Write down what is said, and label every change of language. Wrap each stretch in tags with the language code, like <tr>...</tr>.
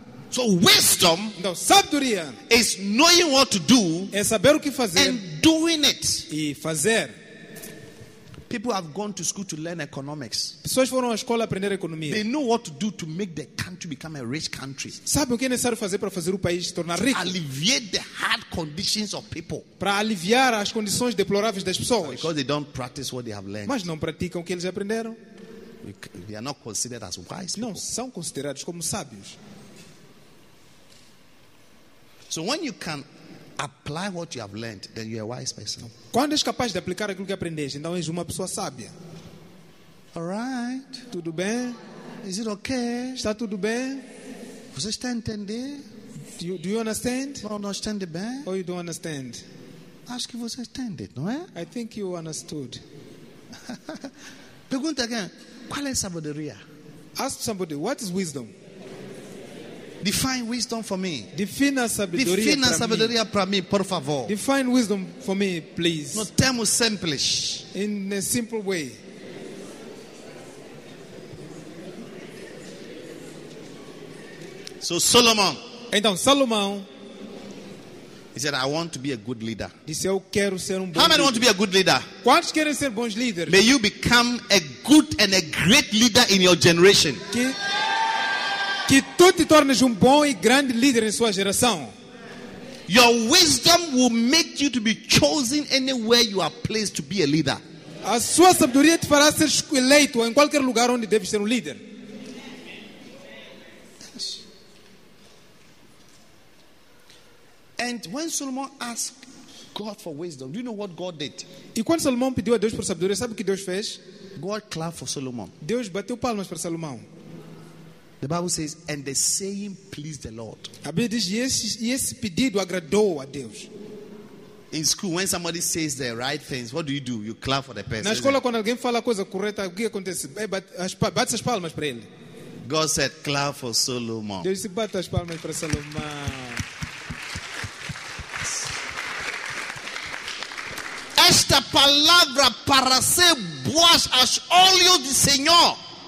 <en>So wisdom,</en> <pt>no, sabedoria,</pt> <en>is knowing what to do,</en> <pt>é saber o que fazer,</pt> <en>and doing it.</en> <pt>E fazer.</pt> <en>People have gone to school to learn economics.</en> <pt>Pessoas foram à escola aprender economia.</pt> <en>They know what to do to make the country become a rich country.</en> <pt>Sabem o que é necessário fazer para fazer o país se tornar rico?</pt> <en>To alleviate the hard conditions of people.</en> <pt>Para aliviar as condições deploráveis das pessoas.</pt> <en>Because they don't practice what they have learned.</en> <pt>Mas não praticam o que eles aprenderam.</pt> <en>They are not considered as wise people.</en> <pt>Não são considerados como sábios.</pt> <en>So when you can apply what you have learned, then you are a wise person.</en> <pt>Quando és capaz de aplicar aquilo que aprendeste, então és uma pessoa sábia.</pt> <en>All right.</en> <pt>Tudo bem?</pt> <en>Is it okay?</en> <pt>Está tudo bem? Você está entendendo?</pt> <en>Do you understand?</en> <pt>Não, não entende bem?</pt> <en>Or you don't understand?</en> <pt>Acho que você entende, não é?</pt> <en>I think you understood.</en> <pt>Pergunta</pt> <en>again.</en> <pt>Qual é a sabedoria?</pt> <en>Ask somebody, what is wisdom? Define wisdom for me.</en> <pt>Define a sabedoria para mim, por favor.</pt> <en>Define wisdom for me, please.</en> <pt>No termo simples.</pt> <en>In a simple way. So Solomon.</en> <pt>Então Salomão.</pt> <en>He said, "I want to be a good leader."</en> <pt>Disse, eu quero ser bom.</pt> <en>How many want to be a good leader?</en> <pt>Quantos querem ser bons líderes?</pt> <en>May you become a good and a great leader in your generation.</en> <pt>Que tu te tornes bom e grande líder em sua geração.</pt> <en>Your wisdom will make you to be chosen anywhere you are placed to be a leader.</en> <pt>A sua sabedoria te fará ser eleito em qualquer lugar onde deves ser um líder.</pt> <en>And when Solomon asked God for wisdom, do you know what God did?</en> <pt>E quando Salomão pediu a Deus por sabedoria, sabe o que Deus fez?</pt> <en>God clapped for Solomon.</en> <pt>Deus bateu palmas para Salomão.</pt> <en>The Bible says, and the saying pleased the Lord.</en> <pt>A Bíblia diz, esse pedido agradou a Deus.</pt> <en>In school, when somebody says the right things, what do? You clap for the person.</en> <pt>Na escola, quando alguém fala a coisa correta, o que acontece? Bate as palmas para ele.</pt> <en>God said, clap for Solomon.</en> <pt>Deus disse, bate as palmas para Salomão. Esta palavra para ser boas aos olhos do Senhor.</pt>